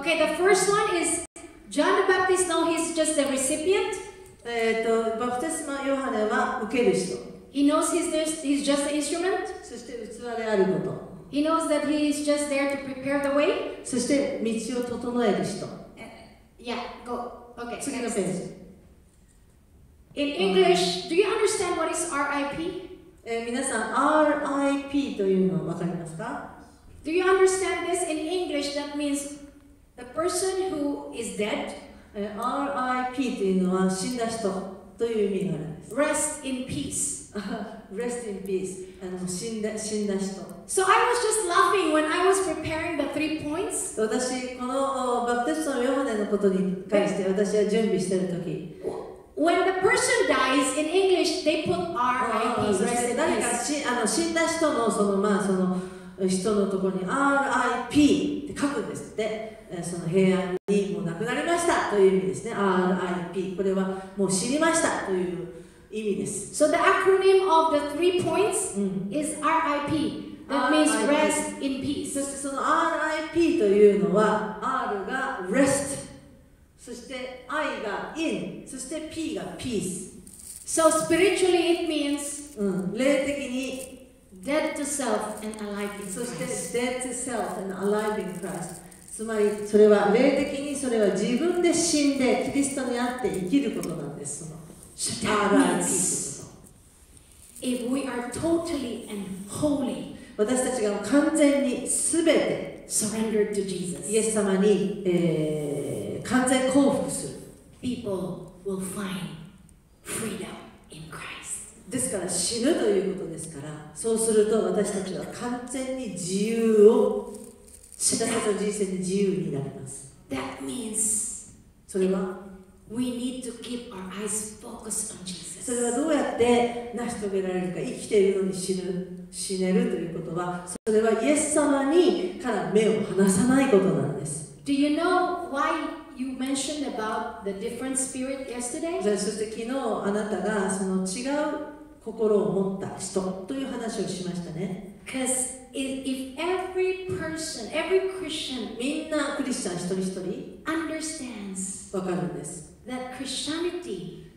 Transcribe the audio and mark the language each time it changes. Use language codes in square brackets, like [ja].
[en] Okay, the first one is John the Baptist, no, he's just the recipient. [ja] バプテスマ・ヨハネは受ける人。 [en] He knows he's just the instrument. [ja] そして器であること。 [en] He knows that he is just there to prepare the way. [ja] そして道を整える人。 [en] Yeah, go. Okay, [ja] 次のページ。 [en] In English, do you understand what is RIP? [ja] 皆さん、RIP というのは分かりますか? [en] Do you understand this in English? That means the person who is dead. [ja] RIP というのは死んだ人という意味があるんです。 [en] Rest in peace. Rest in peace. [ja] 死んだ人。 [en] So I was just laughing when I was preparing the three points. [ja] 私、このバプテスマ・ヨハネのことに関して私は準備してるとき。 [en] When the person dies in English, they put R.I.P. [ja] そして誰か死んだ人のその人のところに R.I.P. って書くんですって、その平安にもう亡くなりましたという意味ですね。 [en] R.I.P. [ja] これはもう死にましたという意味です。 [en] So the acronym of the three points is R.I.P. That means rest in peace. [ja] そしてその R.I.P. というのは R が rest。そして I が in、そして P が peace。 [en] So spiritually it means、 [ja] 霊的に [en] dead to self and alive in Christ。 そして dead to self and alive in Christ。 [ja] つまりそれは霊的にそれは自分で死んでキリストにあって生きることなんです。その [en] so that means if we are totally and wholly、 [ja] 私たちが完全にすべて [en] surrendered to Jesus, [ja] イエス様に、完全降伏する [en] people will find freedom in Christ. [ja] ですから死ぬということですから、そうすると私たちは完全に自由を、私たちの人生で自由になります。 [en] That means, [ja] それは、 [en] we need to keep our eyes focused on Jesus. [ja] それはどうやって成し遂げられるか、生きているのに死ぬ、死ねるということは、それはイエス様にから目を離さないことなんです。 [en] Do you know why you mentioned about the different spirit yesterday? [ja] そして昨日あなたがその違う心を持った人という話をしましたね。 [en] Because if every person, every Christian, [ja] みんなクリスチャン一人一人 [en] understands, [ja] わかるんです。 [en] That Christianity,